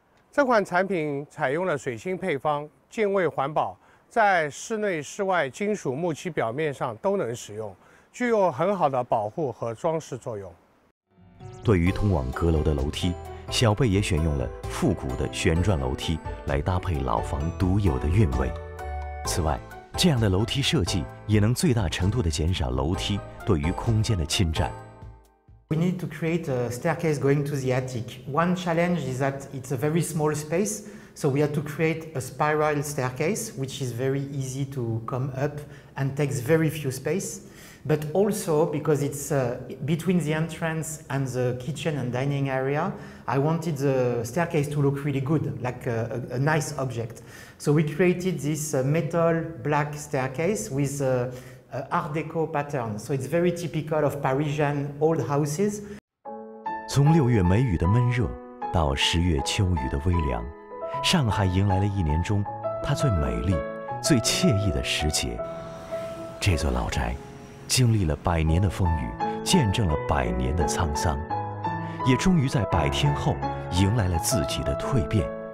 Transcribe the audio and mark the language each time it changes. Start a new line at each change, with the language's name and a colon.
Chinese: 这款产品采用了水芯配方，敬畏环保，在室内室外金属木漆表面上都能使用，具有很好的保护和装饰作用。对于通往阁楼的楼梯，小贝也选用了复古的旋转楼梯来搭配老房独有的韵味。此外，这样的楼梯设计也能最大程度地减少楼梯对于空间的侵占。
English: We need to create a staircase going to the attic. One challenge is that it's a very small space, so we had to create a spiral staircase, which is very easy to come up and takes very few space. But also, because it's between the entrance and the kitchen and dining area, I wanted the staircase to look really good, like a nice object. So we created this metal black staircase with Art Deco pattern, so it's very typical of Parisian old houses.
Chinese: 从六月梅雨的闷热，到十月秋雨的微凉，上海迎来了一年中它最美丽、最惬意的时节。这座老宅经历了百年的风雨，见证了百年的沧桑，也终于在百天后迎来了自己的蜕变。